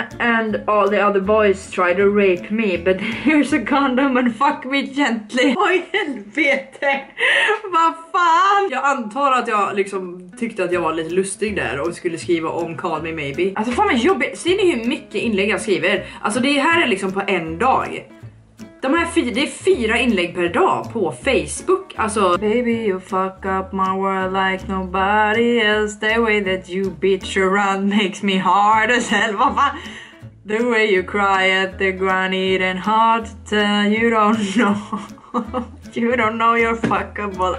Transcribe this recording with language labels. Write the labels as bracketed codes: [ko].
[en] And all the other boys try to rape me, but here's a condom and fuck me gently. [sv] Oj, helvete. Vad fan? Jag antar att jag liksom tyckte att jag var lite lustig där och skulle skriva om call me maybe. Alltså, fan vad jobbigt. Ser ni hur mycket inlägg jag skriver? Alltså, det här är liksom på en dag. Det är 4 inlägg per dag på Facebook. [en] Alltså, baby you fuck up my world like nobody else. The way that you bitch around makes me hard as hell. [sv] Vad fan? [en] The way you cry at the ground eating hard to tell. You don't know. You don't know you're fuckable.